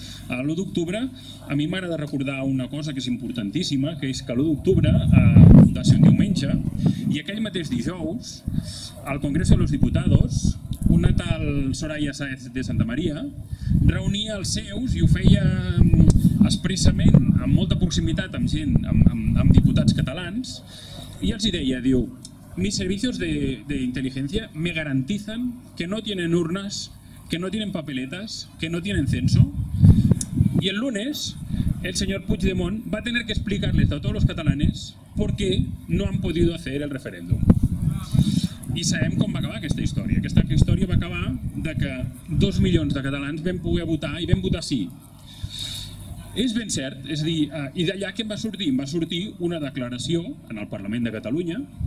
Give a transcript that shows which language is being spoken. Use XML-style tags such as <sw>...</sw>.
<ca>L'1 d'octubre, a mi m'agrada recordar una cosa que és importantíssima, que és que l'1 d'octubre va ser un diumenge, i aquell mateix dijous, al Congreso de los Diputados, una tal Soraya Sáez de Santa María reunia els seus i ho feia expressament, amb molta proximitat amb gent, amb diputats catalans, i els deia, diu,</ca> <es>mis servicios de inteligencia me garantizan que no tienen urnas, que no tienen papeletas, que no tienen censo. Y el lunes, el señor Puigdemont va a tener que explicarles a todos los catalanes por qué no han podido hacer el referéndum.</es> <ca>I sabem com va acabar aquesta història. Aquesta història va acabar de que 2 milions de catalans vam poder votar i vam votar sí. És ben cert, és a dir, i d'allà què em va sortir? Em va sortir una declaració en el Parlament de Catalunya.</ca>